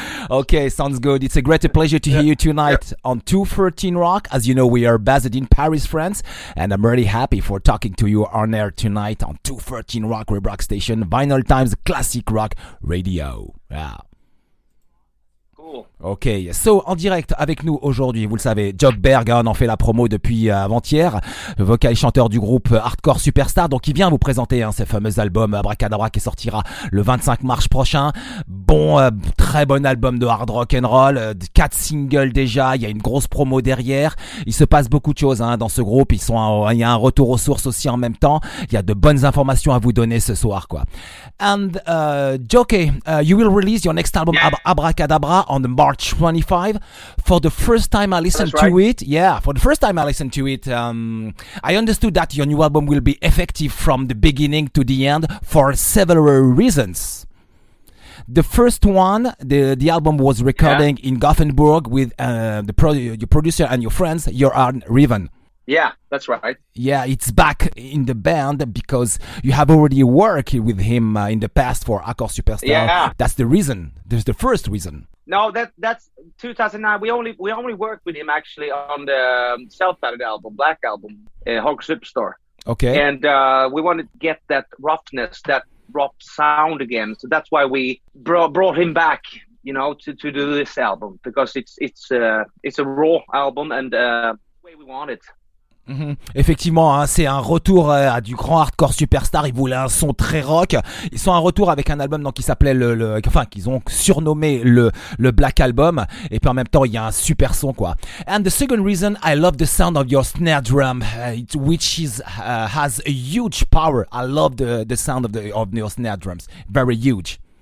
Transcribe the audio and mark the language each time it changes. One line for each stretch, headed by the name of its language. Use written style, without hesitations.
English: Okay, sounds good. It's a great pleasure to hear you tonight on 213 Rock. As you know, we are based in Paris, France, and I'm really happy for talking to you on air tonight on 213 Rock, Web Rock Station, Vinyl Times Classic Rock Radio. Yeah.
French: Ok, so en direct avec nous aujourd'hui, vous le savez, Jocke Berg, on en fait la promo depuis avant-hier, vocal chanteur du groupe Hardcore Superstar, donc il vient vous présenter ce fameux album Abracadabra qui sortira le 25 mars prochain. Très bon album de hard rock and roll, 4 singles déjà, il y a une grosse promo derrière, il se passe beaucoup de choses dans ce groupe, il y a un retour aux sources aussi en même temps, il y a de bonnes informations à vous donner ce soir quoi.
English: And Jocke, you will release your next album Abracadabra on March 25. For the first time I listened to it, I understood that your new album will be effective from the beginning to the end for several reasons. The first one, the album was recording in Gothenburg with your producer and your friends, Jørn Riven. Yeah, that's right. Yeah, it's back in the band because you have already worked with him in the past for Hardcore Superstar. Yeah. That's the reason. That's the first reason. No, that's 2009. We only worked with him actually on the self-titled album, Black Album, Hardcore Superstar. Okay. And we wanted to get that roughness, that rough sound again. So that's why we brought him back, you know, to do this album, because it's a raw album and the way we want it.
French: Effectivement, c'est un retour à du grand hardcore superstar. Ils voulaient un son très rock. Ils sont un retour avec un album donc qui s'appelait qu'ils ont surnommé le Black Album. Et puis en même temps, il y a un super son quoi.
English: And the second reason, I love the sound of your snare drum, which has a huge power. I love the sound of your snare drums. Very huge.